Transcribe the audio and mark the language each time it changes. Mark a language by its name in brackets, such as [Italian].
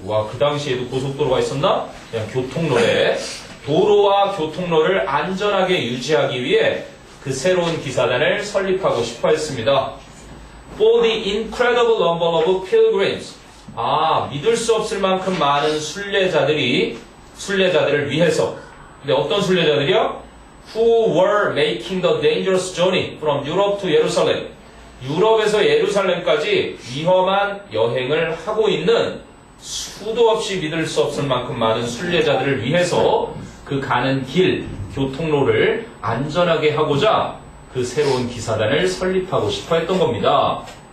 [Korean] 와, 그 당시에도 고속도로가 있었나? 그냥 교통로에 도로와 교통로를 안전하게 유지하기 위해 그 새로운 기사단을 설립하고 싶어했습니다. [English] For the incredible number of pilgrims. [Korean] 아, 믿을 수 없을 만큼 많은 순례자들을 위해서. 근데 어떤 순례자들이요? [English] Who were making the dangerous journey from Europe to Jerusalem. [Korean] 유럽에서 예루살렘까지 위험한 여행을 하고 있는 수도 없이 믿을 수 없을 만큼 많은 순례자들을 위해서 그 가는 길, 교통로를 안전하게 하고자 그 새로운 기사단을 설립하고 싶어 했던 겁니다.